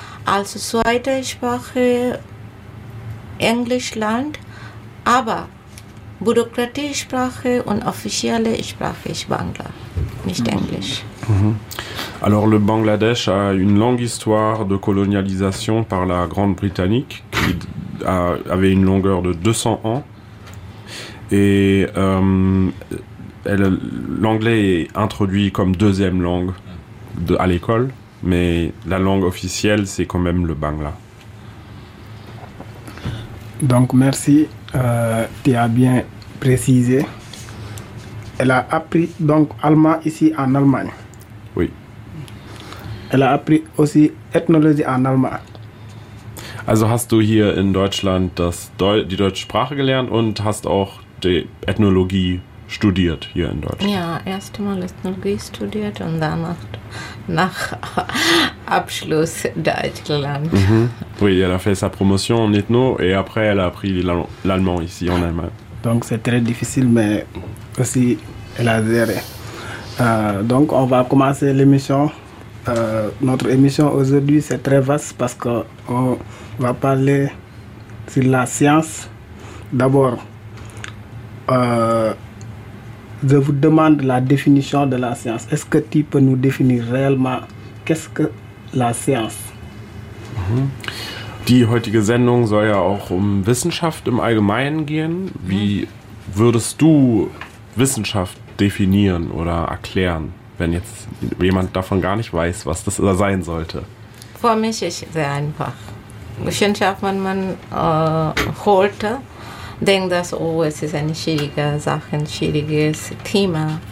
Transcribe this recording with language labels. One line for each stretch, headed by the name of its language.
German: als zweite Sprache Englisch lernt, aber Bürokratiesprache und offizielle Sprache ist Bangla, nicht Englisch. Mm-hmm.
French: Alors le Bangladesh a une longue histoire de colonialisation par la Grande-Britannique qui avait une longueur de 200 ans. Et l'anglais est introduit comme deuxième langue à l'école, mais la langue officielle, c'est quand même le Bangla. Donc merci, tu as bien précisé. Elle a appris donc allemand ici en Allemagne. Oui. Elle a appris aussi ethnologie en allemand.
German: Also hast du hier in Deutschland die deutsche Sprache gelernt und hast auch die Ethnologie studiert hier in Deutschland? Ja, erst mal Ethnologie studiert und danach nach Abschluss Deutsch gelernt. Mm-hmm.
French: Oui, elle a fait sa promotion en ethno et après elle a appris l'allemand ici en Allemagne. Donc c'est très difficile, mais aussi elle a géré. Donc on va commencer l'émission. Notre émission aujourd'hui c'est très vaste parce qu'on va parler sur la science. D'abord, je vous demande la définition de la science. Est-ce que tu peux nous définir réellement qu'est-ce que la science?
German: Die heutige Sendung soll ja auch um Wissenschaft im Allgemeinen gehen. Wie würdest du Wissenschaft definieren oder erklären, wenn jetzt jemand davon gar nicht weiß, was das da sein sollte? Für mich ist es sehr einfach. Wissenschaft, wenn man holt, denkt das, oh, es ist eine schwierige Sache, ein schwieriges Thema.